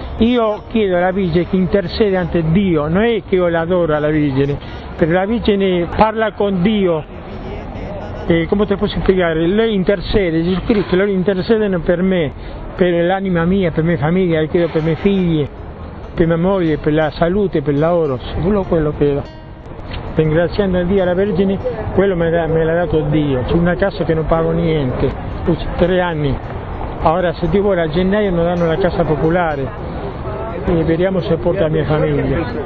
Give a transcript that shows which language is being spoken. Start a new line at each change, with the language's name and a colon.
Italian: Io chiedo alla Vergine che intercede ante Dio, non è che io l'adoro alla Vergine, però la Vergine parla con Dio.
Spanish: ¿Cómo te puedo explicar? Lo intercede, Jesucristo, lo intercede por mí, por el alma mía, por mi familia, por mis hijos, por mi mujer, por la salud, por el oro. Solo lo pido.
Italian: Ringraziando a Dio,
Spanish: a la Virgen,
Italian: quello me l'ha dato Dio. C'è una casa
Spanish: que no pago niente, tres años.
Italian: Ahora, si Dio vuole, a gennaio nos danno la casa popolare.
Spanish: Y veremos si
Italian: porta a mi familia.